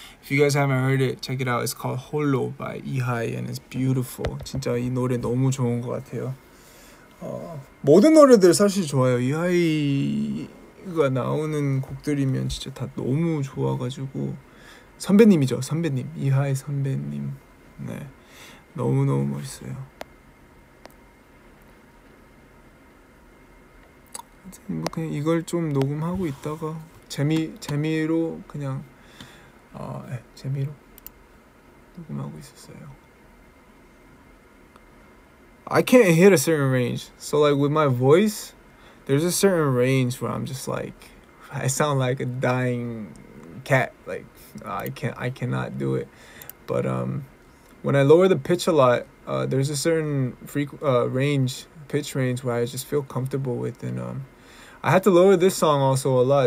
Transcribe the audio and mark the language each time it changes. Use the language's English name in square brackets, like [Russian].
[English] If you guys haven't heard it, check it out. It's called Hollow by Ehi, and it's beautiful. [Korean] 진짜 이 노래 너무 좋은 것 같아요. 모든 노래들 사실 좋아요. Ehi가 나오는 곡들이면 진짜 다 너무 좋아가지고 선배님이죠. 선배님. Ehi 선배님. 네. 너무 너무 멋있어요. 뭐 그냥 이걸 좀 녹음하고 있다가 재미로 그냥 재미로 녹음하고 있었어요. [English] I can't hit a certain range. So like with my voice, there's a certain range where I'm just like, I sound like a dying cat. Like I cannot do it. But when I lower the pitch a lot, there's a certain pitch range where I just feel comfortable with, and I had to lower this song also a lot.